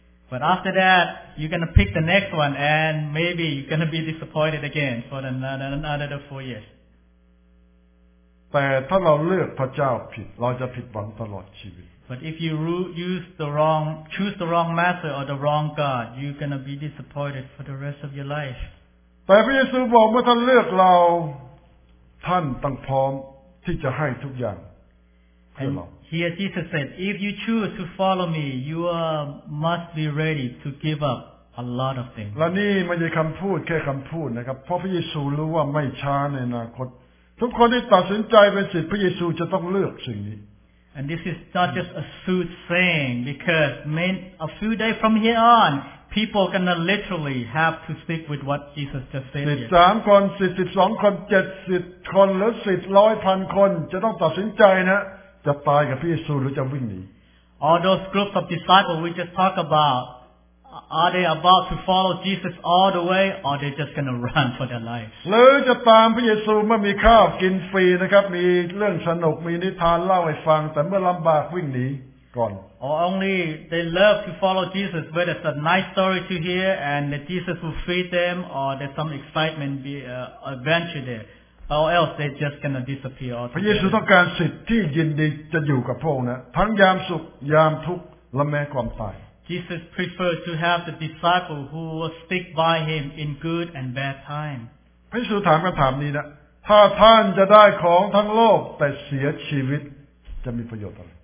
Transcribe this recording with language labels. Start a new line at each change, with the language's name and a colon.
English: But after that you're going to pick the next one and maybe you're going to be disappointed again for another 4 years
Thai: แต่ถ้าเราเลือกพระเจ้าผิดเราจะผิดหวังตลอดชีวิต
English: But if you choose the wrong master or the wrong God, you're going to be disappointed for the rest of your life.
Thai: แต่พระเยซูบอกเมื่อท่านเลือกเราท่านต้องพร้อมที่จะให้ทุกอย่างเพื่อเรา
English: Here Jesus said, if you choose to follow me, you must be ready to give up a lot of things.
Thai: และนี่ไม่ใช่คำพูดแค่คำพูดนะครับเพราะพระเยซูรู้ว่าไม่ช้าในอนาคตทุกคนที่ตัดสินใจเป็นศิษย์พระเยซูจะต้องเลือกสิ่งนี้
English: And this is not just a soothsaying because a few days from here on, people are going to literally have to stick with what Jesus just said.
Thai: 13 คน 42 คน 70 คนหรือ 100,000 คนจะต้องตัดสินใจนะจะตายกับพระเยซูหรือจะวิ่งหนี
English: All those groups of disciples we just talked about, are they about to follow Jesus all the way or are they just going to run for their life?
Thai: หรือจะตามพระเยซูเมื่อมีข้าวกินฟรีนะครับมีเรื่องสนุกมีนิทานเล่าให้ฟังแต่เมื่อลำบากวิ่งหนีก่อน
English: Or only they love to follow Jesus where there's a nice story to hear and that Jesus will feed them or there's some excitement be adventure there or else they're just going to disappear altogether.
Thai: พระเยซูต้องการศิษย์ที่ยินดีจะอยู่กับพระองค์นะทั้งยามสุขยามทุกข์และแม้ความตาย
English: Jesus preferred to have the disciple who will stick by him in good and bad time.
Thai: พระเยซูถามคำถามนี้นะถ้าท่านจะได้ของทั้งโลกแต่เสียชีวิตจะมีประโยชน์อะไร